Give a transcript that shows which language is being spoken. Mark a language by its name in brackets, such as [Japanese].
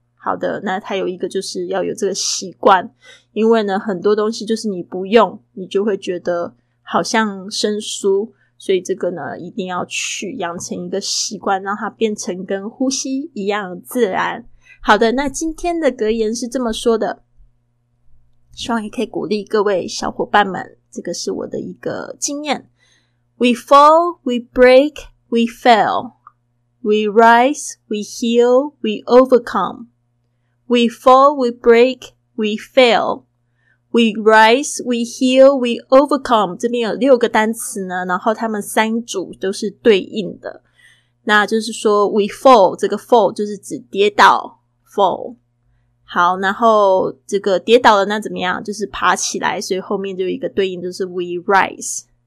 [Chinese] 好的，那它有一个就是要有这个习惯，因为呢很多东西就是你不用你就会觉得好像生疏，所以这个呢一定要去养成一个习惯，让它变成跟呼吸一样自然。好的，那今天的格言是这么说的，希望也可以鼓励各位小伙伴们，这个是我的一个经验。 [English] We fall, we break, we fail. We rise, we heal, we overcome. We fall, we break, we fail. We rise, we heal, we overcome. [Chinese] 这边有六个单词呢，然后他们三组都是对应的。那就是说 [English] we fall, [Chinese] 这个 fall 就是指跌倒 fall。好，然后这个跌倒了那怎么样，就是爬起来，所以后面就有一个对应，就是 [English] we rise。